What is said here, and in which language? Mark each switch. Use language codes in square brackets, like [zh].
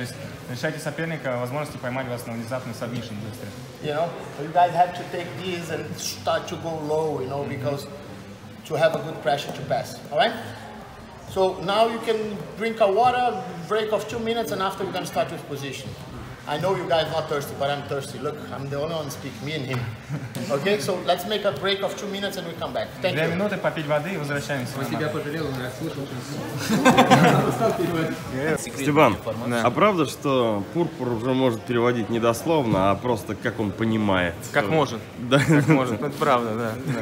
[ru] То есть лишаете соперника возможности поймать вас на внезапный submission быстро. [en] You know, you guys have to take these and start to go low, you know, because to have a good pressure to pass. Alright? So now you can drink a water, break of 2 minutes, and after we're gonna start with position. I know you guys are not thirsty, but I'm thirsty. Look, I'm the only one to speak, me and him. Okay, so let's make a break of 2 minutes and we come back. Thank you. [ru] 2 минуты попить воды и возвращаемся. Вы себя пожалел, я слышал. Степан, а правда, что Пурпур уже может переводить не дословно, а просто как он понимает? Как может. Да. Как может, это правда, да.